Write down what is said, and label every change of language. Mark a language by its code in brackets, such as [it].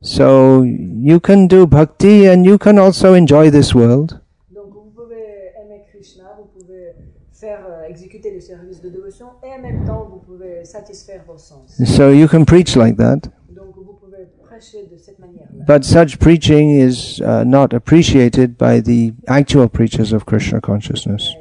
[en] So you can do bhakti and you can also enjoy this world. [fr] Donc vous pouvez aimer Krishna, vous pouvez faire exécuter le service de dévotion et en même temps vous pouvez satisfaire vos sens. [en] So you can preach like that. [fr] Donc vous pouvez prêcher de cette manière-là. [en] But such preaching is not appreciated by the actual preachers of Krishna consciousness.